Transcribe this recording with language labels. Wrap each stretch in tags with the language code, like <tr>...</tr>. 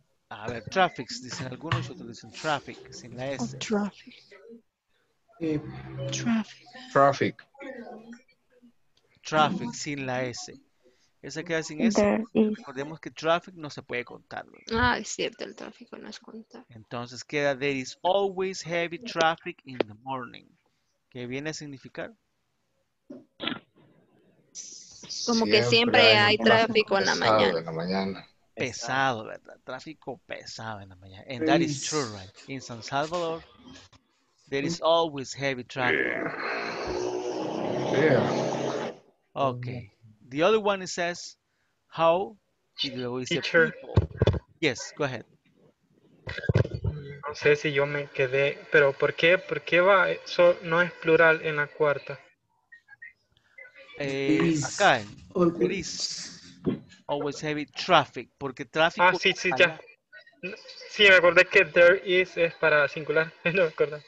<es>A ver, traffics, dicen algunos, otros dicen traffic, sin la S.</es> <en>Traffic.</en> <es>Traffic, sin la S. Esa queda sin S. Recordemos que traffic no se puede contar. Ah, es cierto, el tráfico no es contar. Entonces queda,</es> <en>there is always heavy traffic in the morning.</en> <es>¿Qué viene a significar? Como que siempre hay tráfico en la mañana. Pesado, ¿verdad? Tráfico pesado en la mañana.</es> <en>And that is true, right? In San Salvador, there is always heavy traffic. Yeah. Okay. The other one says, how is the people? Yes, go ahead.</en> <es>No sé si yo me quedé, pero ¿por qué va? No es plural en la cuarta.</es> <en>acá, always. Always heavy traffic, porque tráfico...</en> <es>Ah, sí, sí, ya. Sí, me acordé que</es> <en>there is</en> <es>es para singular, no me acuerdo.</es>